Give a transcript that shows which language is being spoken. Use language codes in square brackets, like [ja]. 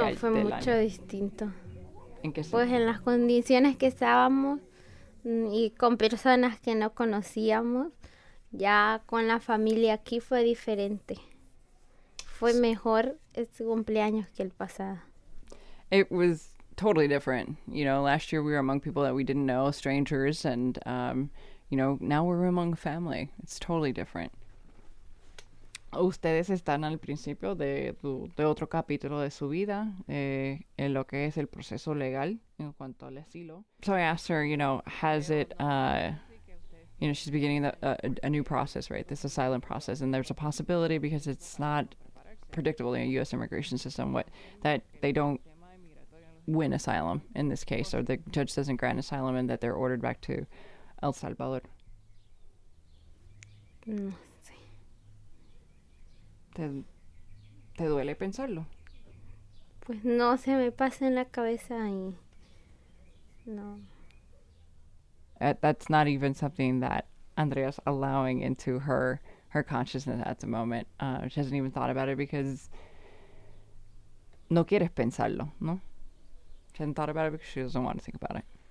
[es] ayer? No, fue mucho distinto. ¿En qué sentido? Pues en las condiciones que estábamos y con personas que no conocíamos, ya con la familia aquí fue diferente. Fue mejor este cumpleaños que el pasado. [en] It was totally different. You know, last year we were among people that we didn't know, strangers, and, you know, now we're among family. It's totally different. [es] Ustedes están al principio de, tu, de otro capítulo de su vida, en lo que es el proceso legal en cuanto al asilo. [en] So I asked her, you know, has it, you know, she's beginning the, a new process, right? This asylum process, and there's a possibility because it's not predictable in a U.S. immigration system what that they don't win asylum in this case, or the judge doesn't grant asylum and that they're ordered back to El Salvador. [es] ¿Te duele pensarlo? Pues no, se me pasa en la cabeza y no. [en] That's not even something that Andrea's allowing into her consciousness at the moment. She hasn't even thought about it because [es] no quieres pensarlo, ¿no? [en] She hasn't thought about it because she doesn't want to think about it.